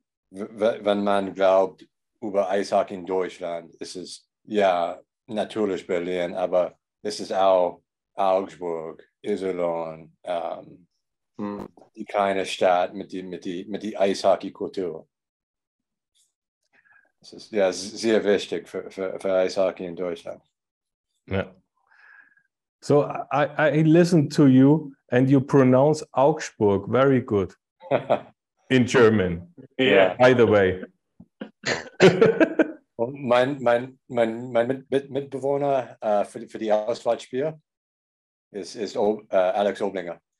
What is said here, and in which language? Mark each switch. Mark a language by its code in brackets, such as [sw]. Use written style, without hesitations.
[de] wenn man glaubt über Eishockey in Deutschland, ist es ja natürlich Berlin, aber es ist auch Augsburg, Iserlohn, die kleine Stadt mit die Eishockey-Kultur. Das ist ja sehr wichtig für Eishockey in Deutschland. Ja. [en] So I listen to you and you pronounce Augsburg very good in German. Yeah. By the way. [de] mein Mitbewohner für die Auswahlspiel ist Alex Oblinger.